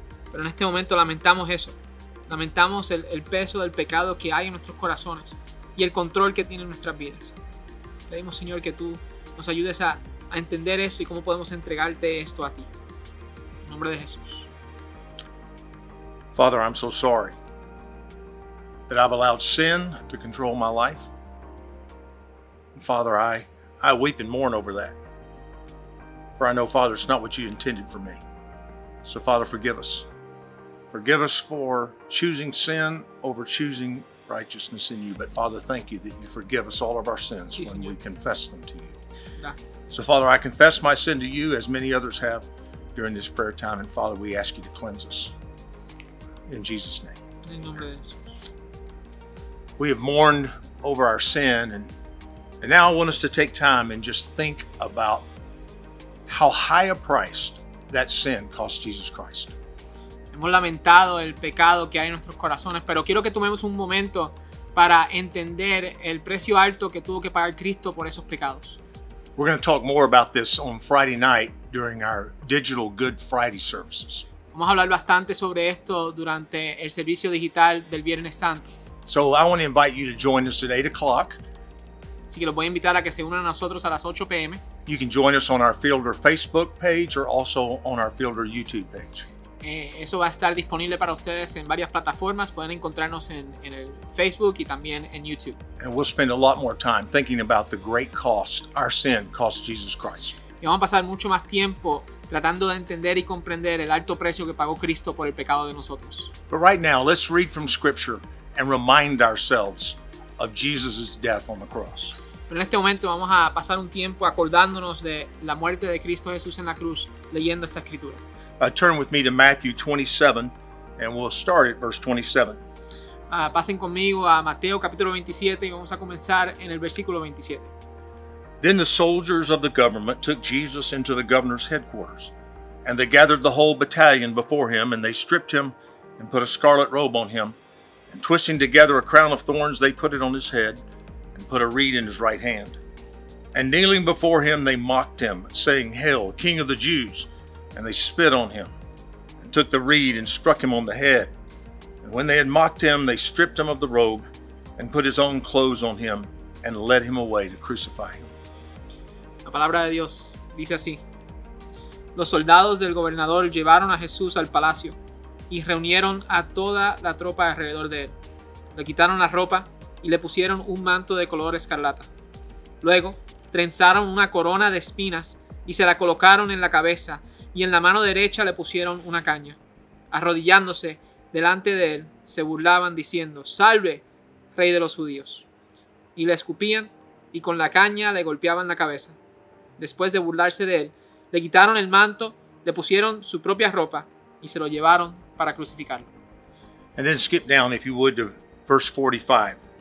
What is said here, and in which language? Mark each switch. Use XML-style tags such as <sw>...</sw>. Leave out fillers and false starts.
<es>Pero en este momento lamentamos eso. Lamentamos el peso del pecado que hay en nuestros corazones y el control que tiene en nuestras vidas. Pedimos, Señor, que tú nos ayudes a entender esto y cómo podemos entregarte esto a ti. En nombre de Jesús.</es> <en>Father, I'm so sorry that I've allowed sin to control my life. Father, I weep and mourn over that. For I know, Father, it's not what you intended for me. So, Father, forgive us. Forgive us for choosing sin over choosing righteousness in you. But, Father, thank you that you forgive us all of our sins when we confess them to you. So, Father, I confess my sin to you as many others have during this prayer time. And, Father, we ask you to cleanse us. In Jesus' name. In the name of Jesus. We have mourned over our sin, and now I want us to take time and just think about how high a price that sin cost Jesus Christ.</en> <es>Hemos lamentado el pecado que hay en nuestros corazones, pero quiero que tomemos un momento para entender el precio alto que tuvo que pagar Cristo por esos pecados.</es> <en>We're going to talk more about this on Friday night during our digital Good Friday services.</en> <es>Vamos a hablar bastante sobre esto durante el servicio digital del Viernes Santo.</es> <en>So I want to invite you to join us at 8 o'clock.</en> <es>Así que los voy a invitar a que se unan a nosotros a las 8 p.m.</es> <en>You can join us on our Fielder Facebook page or also on our Fielder YouTube page.</en> <es>Eso va a estar disponible para ustedes en varias plataformas. Pueden encontrarnos en el Facebook y también en YouTube.</es> <en>And we'll spend a lot more time thinking about the great cost our sin cost Jesus Christ.</en> <es>Y vamos a pasar mucho más tiempo tratando de entender y comprender el alto precio que pagó Cristo por el pecado de nosotros.</es> <en>But right now, let's read from Scripture and remind ourselves of Jesus' death on the cross.</en> <es>Pero en este momento vamos a pasar un tiempo acordándonos de la muerte de Cristo Jesús en la cruz, leyendo esta escritura.</es> <en>Turn with me to Matthew 27, and we'll start at verse 27.</en> <es>Pasen conmigo a Mateo capítulo 27, y vamos a comenzar en el versículo 27.</es> <en>Then the soldiers of the government took Jesus into the governor's headquarters, and they gathered the whole battalion before him, and they stripped him and put a scarlet robe on him, and twisting together a crown of thorns, they put it on his head and put a reed in his right hand. And kneeling before him, they mocked him, saying, "Hail, King of the Jews," and they spit on him and took the reed and struck him on the head. And when they had mocked him, they stripped him of the robe and put his own clothes on him and led him away to crucify him.</en> <es>La palabra de Dios dice así: Los soldados del gobernador llevaron a Jesús al palacio y reunieron a toda la tropa alrededor de él. Le quitaron la ropa y le pusieron un manto de color escarlata. Luego trenzaron una corona de espinas y se la colocaron en la cabeza, y en la mano derecha le pusieron una caña. Arrodillándose delante de él, se burlaban diciendo: "Salve, rey de los judíos." Y le escupían y con la caña le golpeaban la cabeza. Después de burlarse de él, le quitaron el manto, le pusieron su propia ropa y se lo llevaron para crucificarlo.</es> <en>And then skip down, if you would, to verse 45.</en>